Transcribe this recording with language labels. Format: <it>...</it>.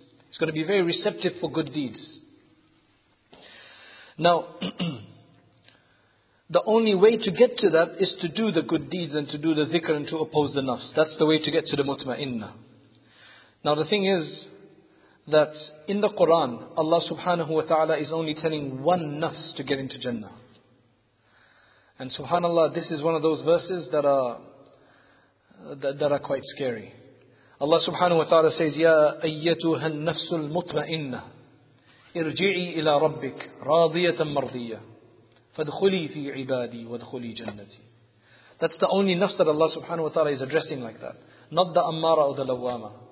<en>It's going to be very receptive for good deeds. Now, the only way to get to that is to do the good deeds and to do the dhikr and to oppose the nafs. That's the way to get to the mutma'inna. Now the thing is, that in the Quran, Allah subhanahu wa ta'ala is only telling one nafs to get into Jannah. And subhanAllah, this is one of those verses that are quite scary.</en> <ar>Allah subhanahu wa ta'ala says, يَا أَيَّتُهَا النَّفْسُ الْمُطْمَئِنَّةِ ارْجِعِي إِلَىٰ رَبِّكْ رَاضِيَةً مَرْضِيَّةً فَادْخُلِي فِي عِبَادِي وَادْخُلِي جَنَّتِي.</ar> <en>That's the only nafs that Allah subhanahu wa ta'ala is addressing like that. Not the ammara or the lawama.</en>